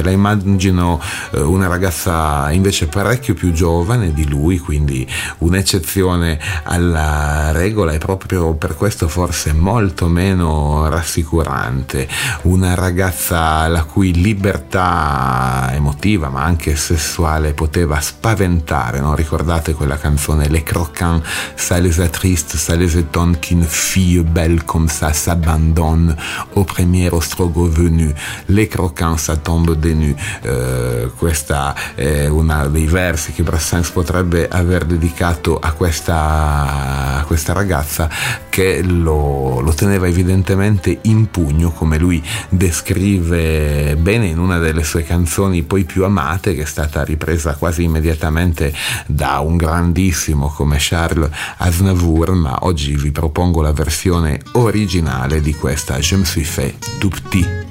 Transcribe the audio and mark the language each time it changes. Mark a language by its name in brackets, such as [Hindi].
[Italian] Me la immagino una ragazza invece parecchio più giovane di lui, quindi un'eccezione alla regola, e proprio per questo forse molto meno rassicurante. Una ragazza la cui libertà emotiva ma anche sessuale poteva spaventare, no? Ricordate quella canzone, [French] Les croquants, ça les attriste, ça les étonne qu'une fille belle comme ça s'abandonne au premier ostrogo venu, les croquants, ça tombe des nues. [Italian] Questa è una dei versi che Brassens potrebbe aver dedicato a questa ragazza, che lo teneva evidentemente in pugno, come lui descrive bene in una delle sue canzoni poi più amate, che è stata ripresa quasi immediatamente da un grandissimo come Charles Aznavour, ma oggi vi propongo la versione originale di questa Je me suis fait tout petit.